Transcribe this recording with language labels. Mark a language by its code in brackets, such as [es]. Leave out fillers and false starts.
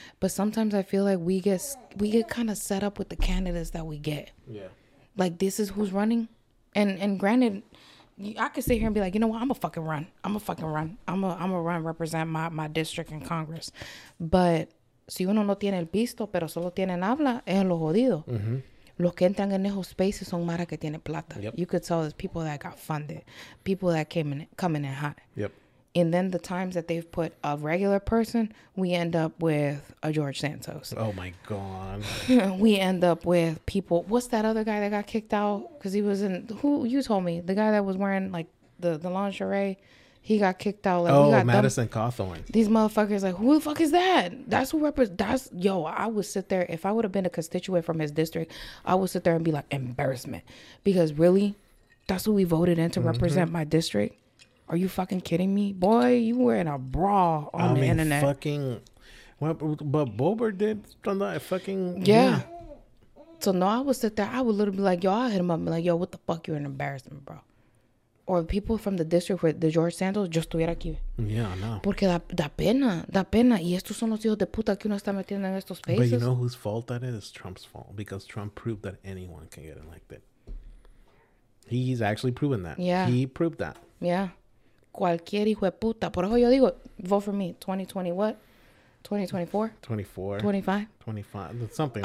[en] But sometimes I feel like we get kind of set up with the candidates that we get. Yeah. Like, this is who's running. And granted, I could sit here and be like, you know what? I'm a fucking run. I'm a run, represent my district in Congress. But [es] si uno no tiene el visto, pero solo tienen habla, es lo jodido. [en] Mm-hmm. [es] Los que entran en esos spaces son mara que tiene plata. [en] Yep. You could tell there's people that got funded, people that coming in hot. Yep. And then the times that they've put a regular person, we end up with a George Santos. Oh, my God. We end up with people. What's that other guy that got kicked out? Because he was in, who, you told me, the guy that was wearing, like, the lingerie, he got kicked out. Like, oh, got Madison Cawthorn. These motherfuckers, like, who the fuck is that? That's who represents, yo, I would sit there, if I would have been a constituent from his district, I would sit there and be like, embarrassment. Because really, that's who we voted in to represent my district? Are you fucking kidding me? Boy, you wearing a bra on the internet. Fucking, well, but Boebert did from that fucking. Yeah. So no, I would sit there. I would literally be like, yo, I'll hit him up and be like, yo, what the fuck? You're an embarrassment, bro. Or people from the district where the George Santos, [es] yo estuviera aquí. [en] Yeah, no. [es] Porque da pena. Y estos son los hijos de puta que uno está metiendo en estos spaces. [en] But you know whose fault that is? It's Trump's fault. Because Trump proved that anyone can get elected. He's actually proven that. Yeah. He proved that. Yeah. [es] Cualquier hijo de puta. Por eso yo digo, [en] vote for me. [es] 2020 [en] what? [es] 2024? [en] 24. 25? 25. Something.